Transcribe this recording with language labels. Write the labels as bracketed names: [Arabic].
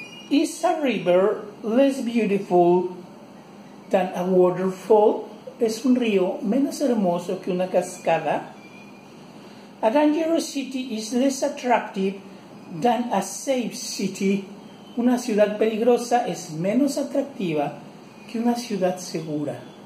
[English] Is a river less beautiful than a waterfall? [Spanish] Es un río menos hermoso que una cascada. [English] A dangerous city is less attractive than a safe city. [Spanish] Una ciudad peligrosa es menos atractiva que una ciudad segura.